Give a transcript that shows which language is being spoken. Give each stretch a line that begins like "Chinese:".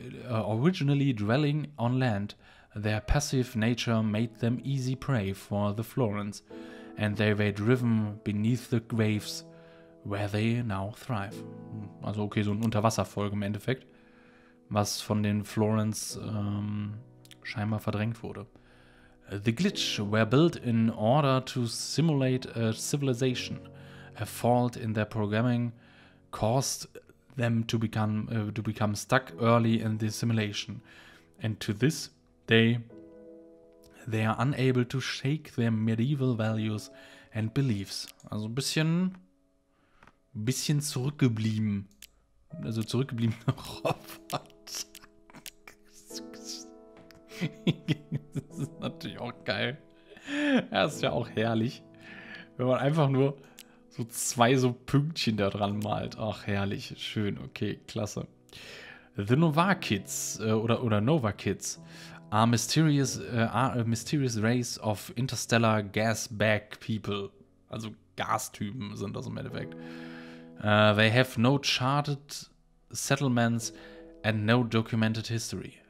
English: Originally dwelling on land, their passive nature made them easy prey for the Florans, and they were driven beneath the waves where they now thrive.
German: Also okay, so ein Unterwasservolk im Endeffekt, was von den Florans scheinbar verdrängt wurde.
English: The glitch were built in order to simulate a civilization. A fault in their programming caused them to become stuck early in the simulation, and to this day they are unable to shake their medieval values and beliefs.
German: Also ein bisschen zurückgeblieben, also zurückgebliebene Roboter. Das ist natürlich auch geil. Das ist ja auch herrlich, wenn man einfach nur so zwei so Pünktchen da dran malt. Ach, herrlich. Schön. Okay, klasse.
English: The Novakids
German: oder
English: Novakids are a mysterious race of interstellar gas bag people.
German: Also Gastypen sind das im Endeffekt.
English: They have no charted settlements and no documented history.